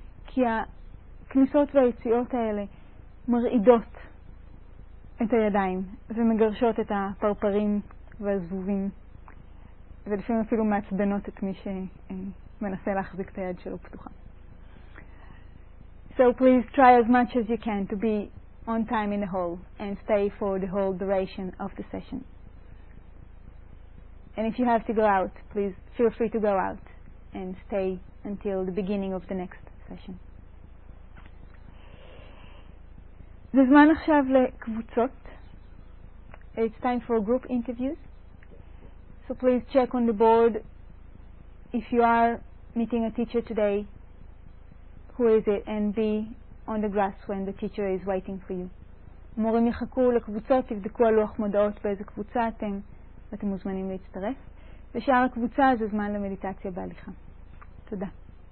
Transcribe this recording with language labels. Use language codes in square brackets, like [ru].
[he] כי הכניסות והיציאות האלה מרעידות את הידיים ומגרשות את הפרפרים והזבובים, ולפעמים אפילו מעצבנות את מי שמנסה להחזיק את היד שלו פתוחה. [en] So please try as much as you can to be on time in the hall and stay for the whole duration of the session. And if you have to go out, please feel free to go out and stay until the beginning of the next session. [he] זה זמן עכשיו לקבוצות. [en] It's time for group interviews. So please check on the board if you are meeting a teacher today. Who is it? And be on the grass when the teacher is waiting for you. [he] מורים יחכו לקבוצות, תבדקו על לוח מודעות באיזה קבוצה אתם, ואתם מוזמנים להצטרף. ושאר הקבוצה זה זמן למדיטציה בהליכה. תודה.